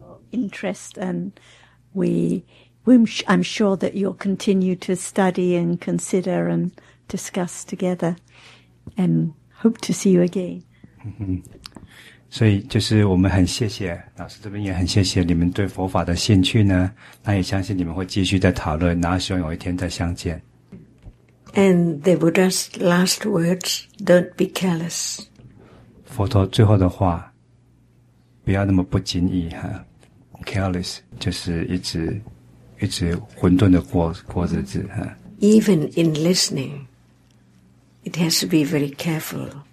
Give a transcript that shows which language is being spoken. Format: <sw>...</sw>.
<en>Interest and I'm sure that you'll continue to study and consider and. Discuss together and hope to see you again.</en> <zh>所以就是我们很谢谢老师，这边也很谢谢你们对佛法的兴趣呢，那也相信你们会继续在讨论，然后希望有一天再相见。</zh> <en>And the Buddha's last words, don't be careless.</en> <zh>佛陀最后的话，不要那么不经意哈。 Careless 就是一直混沌的过日子哈。</zh> <en>Even in listening, it has to be very careful.</en>